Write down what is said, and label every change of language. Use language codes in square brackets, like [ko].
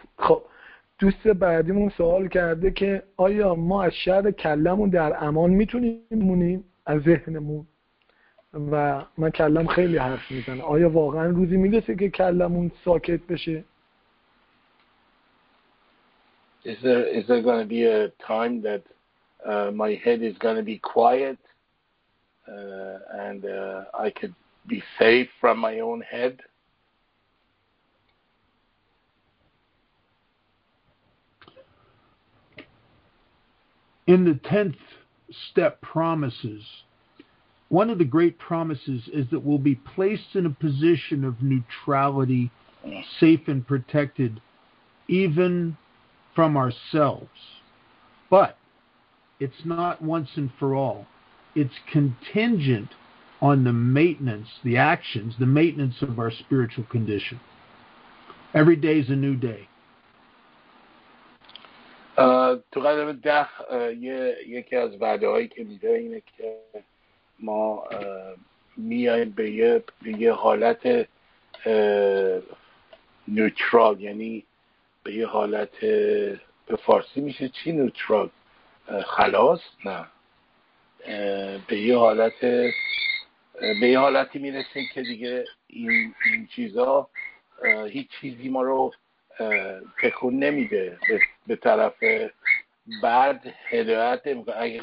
[fa] خب دوست بعدیمون سوال کرده که آیا ما از شر کلمون در امان میتونیم مونیم از ذهنمون؟ و من کلم خیلی حرف میزنه، آیا واقعا روزی میرسه که کلمون ساکت بشه؟ [en] Is there going to be a time that my head is going to be quiet and I could be safe from my own head? In the 10th step promises, one of the great promises is that we'll be placed in a position of neutrality, safe and protected, even from ourselves. But it's not once and for all. It's contingent on the maintenance, the actions, the maintenance of our spiritual condition. Every day is a new day. [fa] تو قدم ده یکی از وعده هایی که میده اینه که ما میایم به یه حالت نوترال، یعنی به یه حالت، به فارسی میشه چی نوترال؟ خلاص؟ نه، به یه حالت، به یه حالتی میرسیم که دیگه این چیزا هیچ چیزی ما رو تکون نمیده، به طرف بعد هدایت میکنه.